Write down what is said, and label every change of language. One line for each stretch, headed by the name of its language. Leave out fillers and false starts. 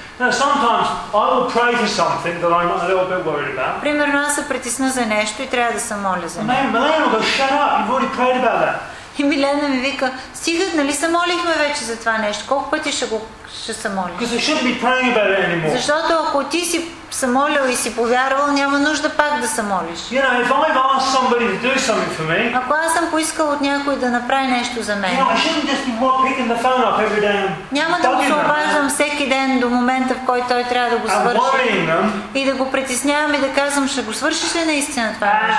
English: Now sometimes I will pray for something that I'm a little bit worried about.
Bulgarian: Примерно аз се притесна за нещо и трябва да се моля за нещо.
English: Милена, Милена, shut up, you've already prayed about that.
Bulgarian: И Милена ми вика, стига, нали се молихме вече за това нещо, колко пъти ще се молиш?
English: Because you shouldn't be praying about it anymore.
Bulgarian: Защото ако ти си се молил и си повярвал, няма нужда пак да се молиш.
English: You know, if I've asked somebody to do something for me,
Bulgarian: ако аз съм поискал от някой да направи нещо за мен,
English: you know, I shouldn't just be picking the phone up every day.
Bulgarian: Няма да го обаждам всеки ден до момента, в който той трябва да го свърши. И да го притеснявам и да казвам, ще го свършиш ли наистина това?